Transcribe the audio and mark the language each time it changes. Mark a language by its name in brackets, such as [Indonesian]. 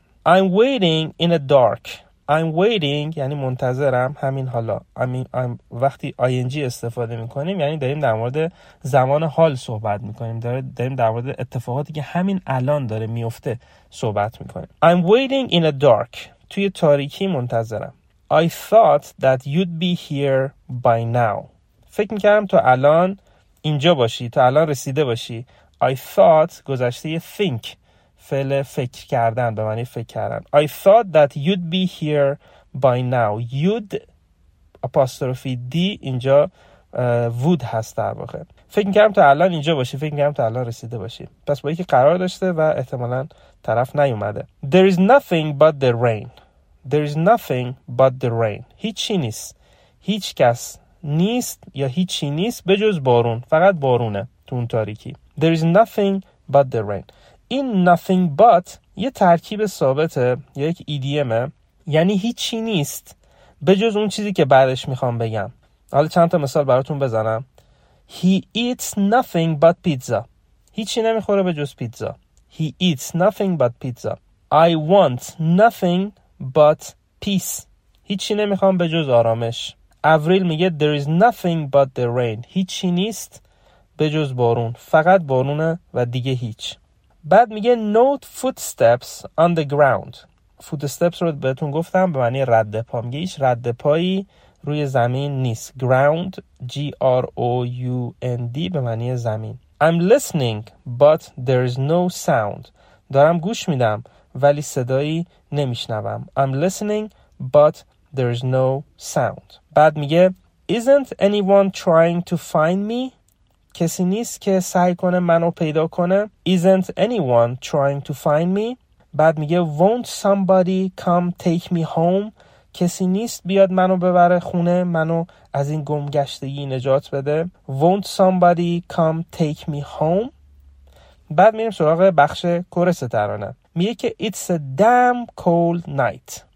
[English] I'm waiting in a dark. [Persian] یعنی منتظرم همین حالا. وقتی ing استفاده میکنیم یعنی داریم در مورد زمان حال صحبت میکنیم. داریم در مورد اتفاقاتی که همین الان داره میفته صحبت میکنیم. [English] I'm waiting in a dark. [Persian] توی تاریکی منتظرم. [English] I thought that you'd be here by now. [Persian] فکر میکردم تو الان اینجا باشی. تو الان رسیده باشی. [English] I thought [Persian] گذشته [English] think. [Persian] فعل فکر کردن به معنی فکر کردن. [English] I thought that you'd be here by now. You'd apostrophe D [Persian] اینجا would هست در واقع. فکر میکردم تو الان اینجا باشی. فکر میکردم تو الان رسیده باشی. پس با یکی قرار داشته و احتمالاً طرف نیومده. [English] There is nothing but the rain. There is nothing but the rain. [Persian] هیچی نیست. هیچ کس نیست یا هیچی نیست به جز بارون. فقط بارونه تو اون تاریکی. [English] There is nothing but the rain. [Persian] این nothing but یه ترکیب ثابته یا یک ایدیمه. یعنی هیچی نیست به جز اون چیزی که بعدش میخوام بگم. حالا چند تا مثال براتون بزنم. [English] He eats nothing but pizza. [Persian] هیچی نمیخوره به جز پیتزا. [English] He eats nothing but pizza. I want nothing but peace. [Persian] هیچی نمیخوام به جز آرامش. اوریل میگه [English] there is nothing but the rain. [Persian] هیچی نیست به جز بارون. فقط بارونه و دیگه هیچ. بعد میگه [English] note footsteps on the ground. [Persian] footsteps رو بهتون گفتم به معنی رد پا. میگه هیچ رد پایی روی زمین نیست. ground G-R-O-U-N-D به معنی زمین. [English] I'm listening but there is no sound. [Persian] دارم گوش میدم ولی صدایی نمیشنوم. [English] I'm listening but there is no sound. [Persian] بعد میگه [English] isn't anyone trying to find me? [Persian] کسی نیست که سعی کنه منو پیدا کنه. [English] Isn't anyone trying to find me? [Persian] بعد میگه [English] won't somebody come take me home? [Persian] کسی نیست بیاد منو ببره خونه، منو از این گمگشتگی نجات بده. [English] Won't somebody come take me home? [Persian] بعد میریم سراغ بخش کورس ترانه. میگه که [English] It's a damn cold night.